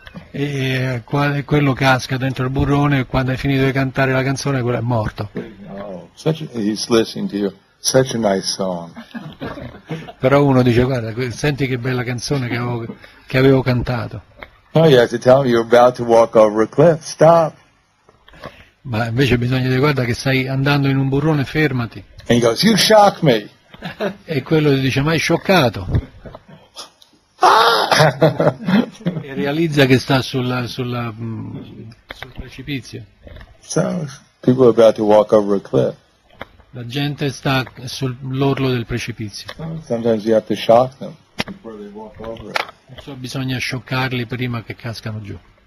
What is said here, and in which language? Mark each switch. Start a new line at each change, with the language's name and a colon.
Italian: E quello casca dentro il burrone e quando hai finito di cantare la canzone quello è morto.
English: He's listening to you. Such a nice song.
Italian: Però uno dice, guarda, senti che bella canzone che avevo cantato.
English: No, you have to tell me you're about to walk over a cliff. Stop.
Italian: Ma invece bisogna dire, guarda, che stai andando in un burrone, fermati.
English: And he goes, you shock me.
Italian: E quello gli dice, ma hai scioccato. E realizza che sta sul precipizio.
English: So, people are about to walk over a cliff.
Italian: La gente sta sull'orlo del precipizio.
English: Sometimes you have to shock them before they walk over it.
Italian: Perciò bisogna scioccarli prima che cascano giù.